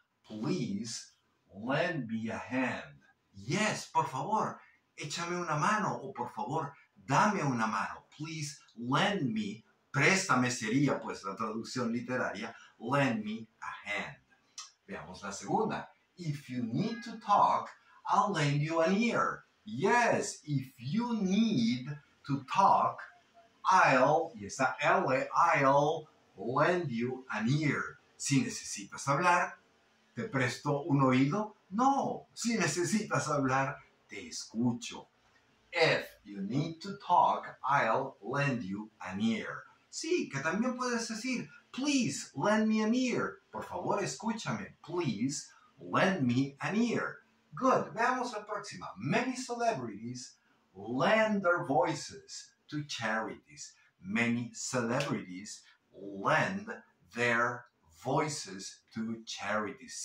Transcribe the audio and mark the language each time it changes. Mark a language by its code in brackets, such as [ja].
[en] Please lend me a hand. Yes, [es] por favor, échame una mano o por favor, dame una mano. [en] Please lend me, [es] préstame sería pues la traducción literaria, [en] lend me a hand. [es] Veamos la segunda. [en] If you need to talk, I'll lend you an ear. Yes, if you need to talk, I'll, [es] y esa L, [en] I'll lend you an ear. [es] Si necesitas hablar, ¿te presto un oído? No, si necesitas hablar, te escucho. [en] If you need to talk, I'll lend you an ear. [es] Sí, que también puedes decir, [en] please lend me an ear. [es] Por favor, escúchame. [en] Please lend me an ear. Good, [es] veamos la próxima. [en] Many celebrities lend their voices to charities. Many celebrities lend their voices to charities.